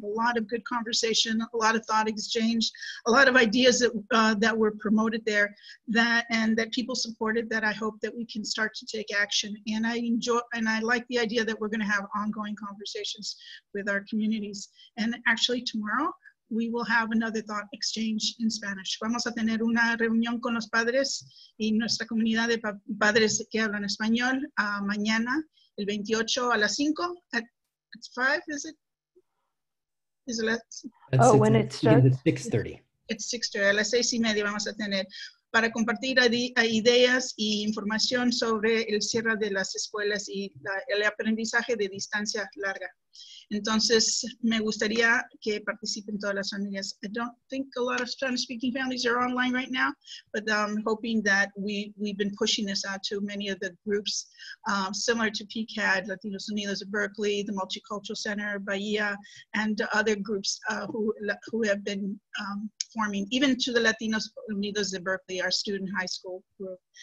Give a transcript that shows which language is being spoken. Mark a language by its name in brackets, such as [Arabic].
[English] A lot of good conversation, a lot of thought exchange, a lot of ideas that were promoted there that people supported, that I hope that we can start to take action. And I like the idea that we're going to have ongoing conversations with our communities. And actually tomorrow, we will have another thought exchange in Spanish. [Spanish] Vamos a tener una reunión con los padres y nuestra comunidad de padres que hablan español mañana, el 28 a las 5, [English] at 5, is it? Is it last? When it starts? It's 6:30. It's 6:30, [Spanish] a las 6 y media vamos a tener para compartir ideas y información sobre el cierre de las escuelas y el aprendizaje de distancia larga. Entonces, me gustaría que participen todas las familias. [English] I don't think a lot of Spanish-speaking families are online right now, but I'm hoping that we've been pushing this out to many of the groups, similar to PCAD, Latinos Unidos of Berkeley, the Multicultural Center, Bahia, and other groups who have been forming, even to the Latinos Unidos of Berkeley, our student high school group.